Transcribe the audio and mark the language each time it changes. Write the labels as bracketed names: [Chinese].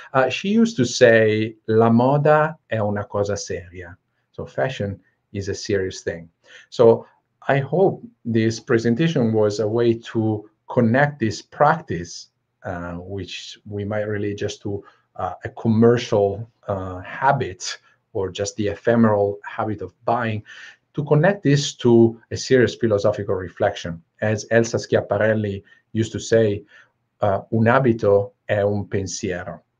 [English] She used to say, [Italian] la moda è una cosa seria. [English] So fashion is a serious thing. So I hope this presentation was a way to connect this practice, which we might relate just to a commercial habit or just the ephemeral habit of buying, to connect this to a serious philosophical reflection. As Elsa Schiaparelli used to say, [Italian] un abito è un pensiero.